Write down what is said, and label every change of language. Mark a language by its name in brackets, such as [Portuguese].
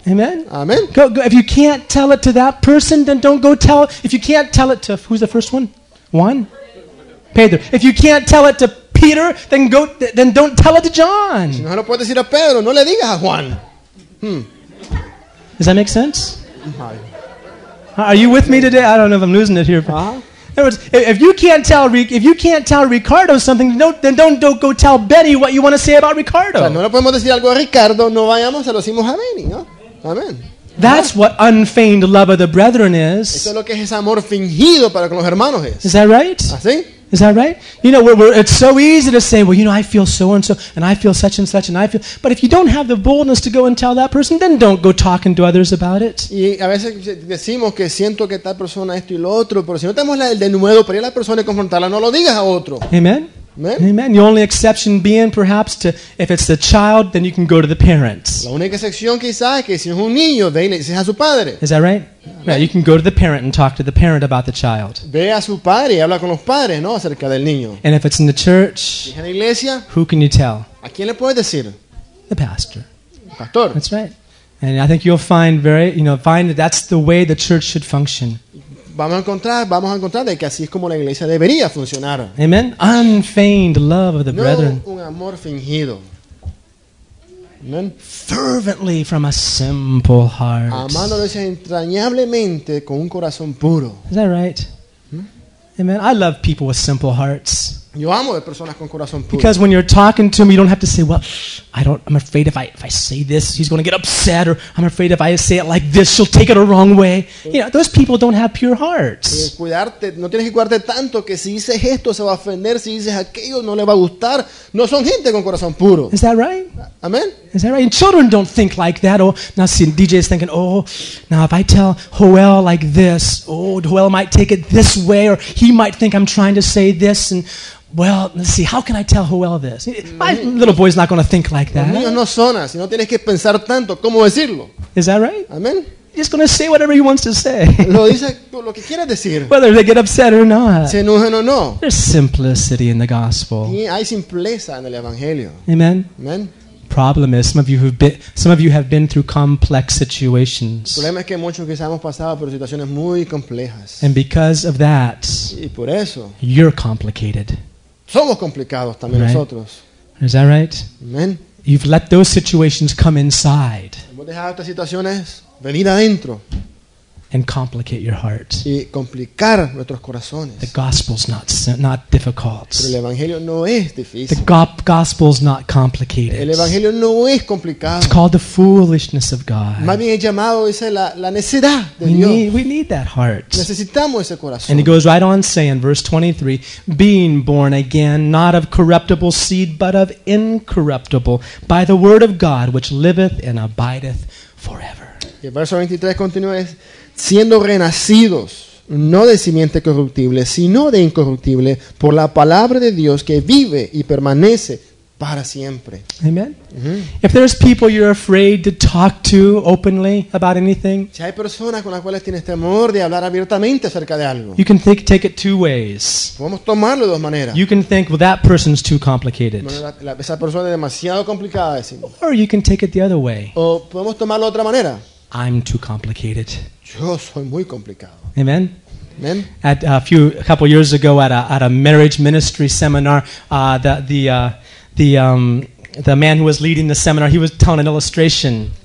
[English] Amen? Amen. Go. If you can't tell it to that person, then don't go tell it. If you can't tell it to, who's the first one? Juan? Pedro. If you can't tell it to Peter, then don't tell it to John. [Spanish] Si no lo puedes decir a Pedro, no le digas a Juan. [English] Does that make sense? Are you with me today? I don't know if I'm losing it here. Uh-huh. In other words, if you can't tell Ricardo something, then don't go tell Benny what you want to say about Ricardo. [Spanish] O sea, no le podemos decir algo a Ricardo, no vayamos, se lo decimos a Benny, ¿no? [English] Amen. That's what unfeigned love of the brethren is. [Spanish] Eso es lo que es amor fingido para con los hermanos es. [English] Is that right? [Spanish] ¿Así? [English] Is that right? You know, it's so easy to say, well, you know, I feel so and so, and I feel such and such, and I feel. But if you don't have the boldness to go and tell that person, then don't go talking to others about it. [Spanish] Y a veces decimos que siento que tal persona esto y lo otro, pero si no tenemos el denuedo para ir a la persona y confrontarla, no lo digas a otro. [English] Amen. Amen. Amen. The only exception being perhaps to if it's the child, then you can go to the parents. [Spanish] La única excepción quizás es que si es un niño, ve y le dices a su padre. [English] Is that right? Yeah. Right. You can go to the parent and talk to the parent about the child. [Spanish] Ve a su padre y habla con los padres, ¿no? Acerca del niño. [English] And if it's in the church, [Spanish] en la iglesia, [English] who can you tell? [Spanish] ¿A quién le puedes decir? [English] The pastor. [Spanish] El pastor. [English] That's right. And I think you'll find find that that's the way the church should function. [Spanish] Vamos a encontrar de que así es como la iglesia debería funcionar. [English] Amen. Unfeigned love of the [Spanish] no [English] brethren. [Spanish] Un amor fingido. Amen. [English] Fervently from a simple heart. [Spanish] Amándolos entrañablemente con un corazón puro. [English] Is that right? Amen. I love people with simple hearts. [Spanish] Yo amo de personas con corazón puro. [English] Because when you're talking to him, you don't have to say, "Well, I'm afraid if I say this, he's going to get upset, or I'm afraid if I say it like this, she'll take it a wrong way." You know, those people don't have pure hearts. [Spanish] Cuidarte, no tienes que cuidarte tanto que si dices esto se va a ofender, si dices aquello no le va a gustar. No son gente con corazón puro. [English] Is that right? Amen. Is that right? And children don't think like that. Oh, now see, DJ is thinking, "Oh, now if I tell Joel like this, oh, Joel might take it this way, or he might think I'm trying to say this and." Well, let's see, how can I tell Joel this? My little boy's not going to think like that. [Spanish] Los niños no son así, no tienes que pensar tanto, ¿cómo decirlo? [English] Is that right? Amen. He's just going to say whatever he wants to say. [Spanish] Lo dice lo que quiere decir. [English] Whether they get upset or not. [Spanish] Se enojan o no. [English] There's simplicity in the gospel. [Spanish] Y hay simpleza en el evangelio. [English] Amen. Amen. Problem is, some of you have been through complex situations. [Spanish] Problema es que muchos quizás hemos pasado por situaciones muy complejas. [English] And because of that, [Spanish] y por eso, [English] you're complicated. [Spanish] Somos complicados también [English] right? [Spanish] Nosotros. [English] Is that right? Amen. You've let those situations come inside. [Spanish] Hemos dejado estas situaciones venir adentro. [English] And complicate your heart. [Spanish] Y complicar nuestros corazones. [English] The gospel's not difficult. [Spanish] Pero el evangelio no es difícil. [English] The gospel's not complicated. [Spanish] El evangelio no es complicado. [English] It's called the foolishness of God. [Spanish] Más bien es llamado esa la necedad de Dios. [English] We need that heart. [Spanish] Necesitamos ese corazón. [English] And he goes right on saying, verse 23, being born again, not of corruptible seed, but of incorruptible, by the word of God, which liveth and abideth forever. [Spanish] Y el verso 23 continúa es, siendo renacidos, no de simiente corruptible, sino de incorruptible, por la palabra de Dios que vive y permanece para siempre. [English] Amen. Mm-hmm. If there's people you're afraid to talk to openly about anything, [Spanish] si hay personas con las cuales tienes temor de hablar abiertamente acerca de algo, [English] you can take it two ways. [Spanish] Podemos tomarlo de dos maneras. [English] You can think, well, that person's too complicated. [Spanish] Bueno, esa persona es demasiado complicada, decimos. [English] Or you can take it the other way. [Spanish] O podemos tomarlo de otra manera. [English] I'm too complicated. [Spanish] Yo soy muy complicado. [English] Amen. Amen. A couple years ago at a marriage ministry seminar, the man who was leading the seminar, he was telling an illustration.